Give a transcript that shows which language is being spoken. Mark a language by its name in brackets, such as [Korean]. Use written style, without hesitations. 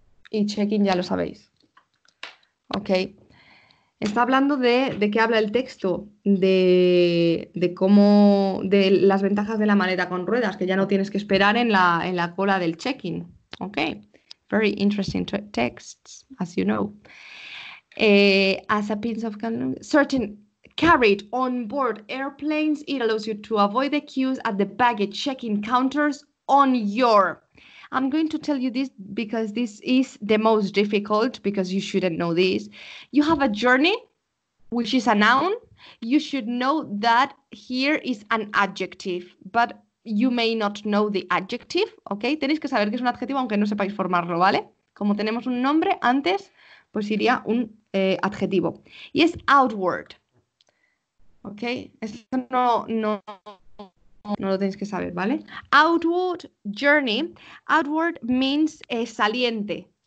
[Spanish] Y check-in ya lo sabéis. Okay? Está hablando de qué habla el texto, de cómo, de las ventajas de la maleta con ruedas, que ya no tienes que esperar en la cola del check-in. [English] Ok, very interesting texts, as you know. As a piece of certain carried on board airplanes, it allows you to avoid the queues at the baggage check-in counters on your. I'm going to tell you this because this is the most difficult, because you shouldn't know this. You have a journey, which is a noun. You should know that here is an adjective, but you may not know the adjective, okay? [Spanish] Tenéis que saber que es un adjetivo, aunque no sepáis formarlo, ¿vale? Como tenemos un nombre antes, pues iría un adjetivo. Y es outward, okay? Esto no lo tenéis que saber, ¿vale? [English] Outward journey. Outward means saliente.